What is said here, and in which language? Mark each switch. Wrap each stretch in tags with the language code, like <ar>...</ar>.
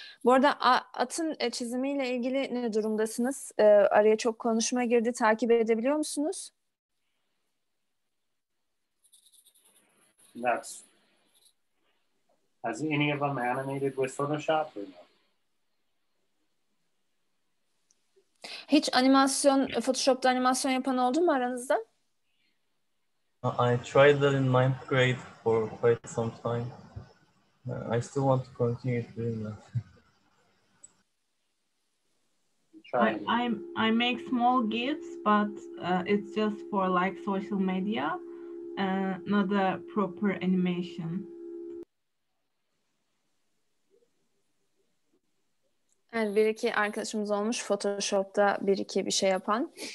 <tr>Bu arada atın çizimiyle ilgili ne durumdasınız? Araya çok konuşma girdi. Takip edebiliyor musunuz?</tr> <en>That's... Has any of them animated with Photoshop or no?</en> <tr>Hiç animasyon, Photoshop'ta animasyon yapan oldu mu aranızda?</tr> <en>I tried that in 9th grade for quite some time. I still want to continue doing that. I make small GIFs, but it's just for like social media, not a proper animation.</en> <tr>Yani bir iki arkadaşımız olmuş Photoshop'ta bir iki bir şey yapan.</tr>